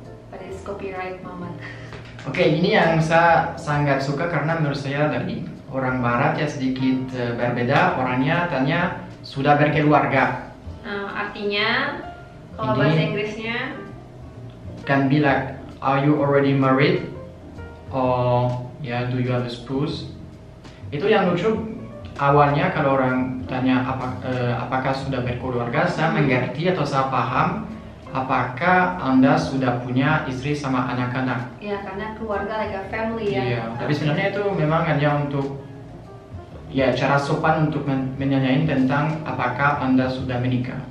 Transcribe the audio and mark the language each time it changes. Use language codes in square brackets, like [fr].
[en] But it's copyright Mama. [id] Ini yang saya sangat suka karena menurut saya dari orang barat ya sedikit berbeda orangnya, tanya sudah berkeluarga. Artinya kalau bahasa Inggrisnya kan bilang, [en] are you already married? Or yeah, do you have a spouse? [id] Itu yang lucu. Awalnya kalau orang tanya apakah sudah berkeluarga, saya mengerti atau saya paham apakah Anda sudah punya istri sama anak-anak. Iya, karena keluarga [en] like a family [id] ya. Iya, tapi sebenarnya itu memang hanya untuk ya cara sopan untuk menanyain tentang apakah Anda sudah menikah.